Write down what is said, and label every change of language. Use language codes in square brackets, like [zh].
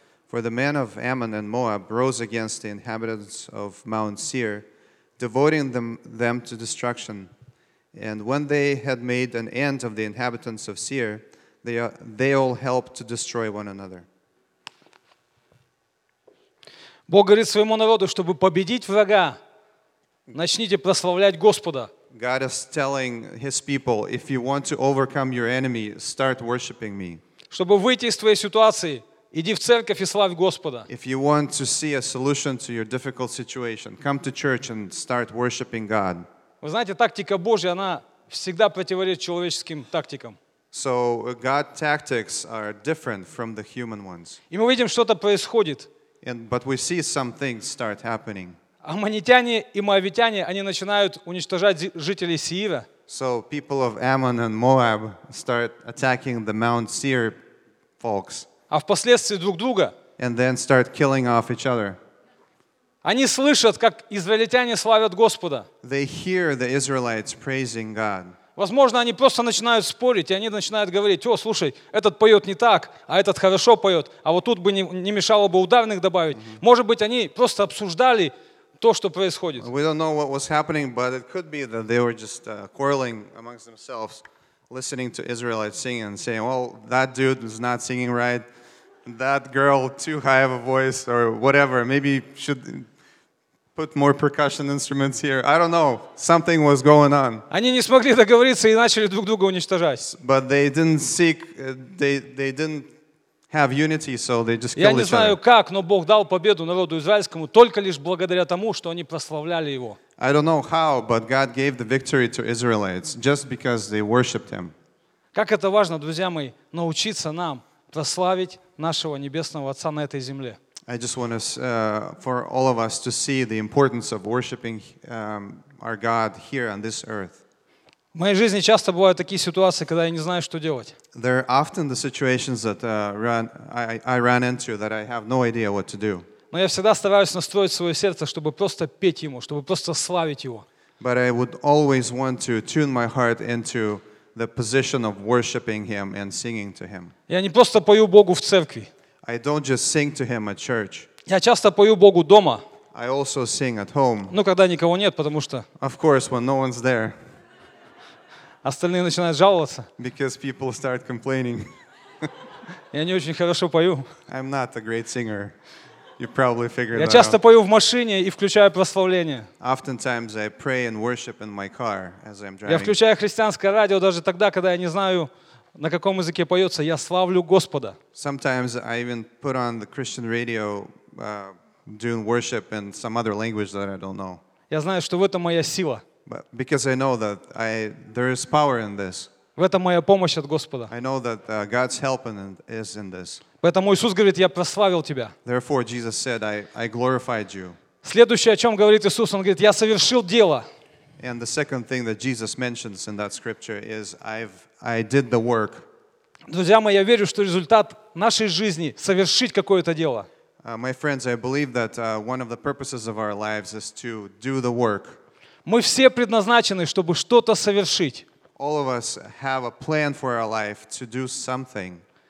[en] For the men of Ammon and Moab rose against the inhabitants of Mount Seir, devoting them to destruction. And when they had made an end of the inhabitants of Seir, they all helped to destroy one another. [ru] Бог говорит своему народу, чтобы победить врага, начните прославлять Господа. [en] God is telling his people, if you want to overcome your enemy, start worshiping me. [ru] Чтобы выйти из твоей ситуации, иди в церковь и славь Господа. [en] If you want to see a solution to your difficult situation, come to church and start worshiping God. [ru] Вы знаете, тактика Божья, она всегда противоречит человеческим тактикам. [en] So God's tactics are different from the human ones. [ru] И мы видим, что-то происходит. [en] But we see some things start happening. [ru] Аммонитяне и моавитяне, они начинают уничтожать жителей Сеира. [en] So people of Ammon and Moab start attacking the Mount Seir folks. [ru] А впоследствии друг друга. [en] And then start killing off each other. [ru] Они слышат, как израильтяне славят Господа. [en] They hear the Israelites praising God. [ru] Возможно, они просто начинают спорить, и они начинают говорить: о, слушай, этот поет не так, а этот хорошо поет, а вот тут бы не мешало бы ударных добавить. Mm-hmm. Может быть, они просто обсуждали то, что происходит. [en] We don't know what was happening, but it could be that they were just quarreling amongst themselves, listening to Israelites singing and saying, well, that dude is not singing right, that girl too high of a voice, or whatever, maybe should put more percussion instruments here. I don't know. Something was going on. [ru] Они не смогли договориться и начали друг друга уничтожать. [en] But they didn't have unity, so they just killed each other. [ru] Я не знаю как, но Бог дал победу народу израильскому только лишь благодаря тому, что они прославляли его. [en] I don't know how, but God gave the victory to Israelites just because they worshiped him. [ru] Как это важно, друзья мои, научиться нам прославить нашего небесного Отца на этой земле. [en] I just want us, for all of us to see the importance of worshiping our God here on this earth. [ru] В моей жизни часто бывают такие ситуации, когда я не знаю, что делать. [en] There are often the situations that I run into that I have no idea what to do. [ru] Но я всегда стараюсь настроить свое сердце, чтобы просто петь ему, чтобы просто славить его. [en] But I would always want to tune my heart into the position of worshiping him and singing to him. [ru] Я не просто пою Богу в церкви. [en] I don't just sing to him at church. [ru] Я часто пою Богу дома. [en] I also sing at home. [ru] Ну, когда никого нет, потому что. [en] Of course, when no one's there. [ru] Остальные начинают жаловаться. [en] Because people start complaining. [ru] Я не очень хорошо пою. [en] I'm not a great singer. You probably figured [ru] Я [en] that [ru] часто [en] out. [ru] Пою в машине и включаю прославление. [en] Oftentimes I pray and worship in my car as I'm driving. [ru] Я включаю христианское радио даже тогда, когда я не знаю. На каком языке поется? Я славлю Господа. [en] Sometimes I even put on the Christian radio doing worship in some other language that I don't know. [ru] Я знаю, что в этом моя сила. [en] But because I know that there is power in this. [ru] В этом моя помощь от Господа. [en] I know that God's help is in this. [ru] Поэтому Иисус говорит: я прославил тебя. [en] Therefore Jesus said, I glorified you. [ru] Следующее, о чем говорит Иисус, он говорит: я совершил дело. [en] And the second thing that Jesus mentions in that scripture is I did the work. [ru] Друзья мои, я верю, что результат нашей жизни — совершить какое-то дело. [en] My friends, I believe that one of the purposes of our lives is to do the work. [ru] Мы все предназначены, чтобы что-то совершить. [en] All of us have a plan for our life to do something.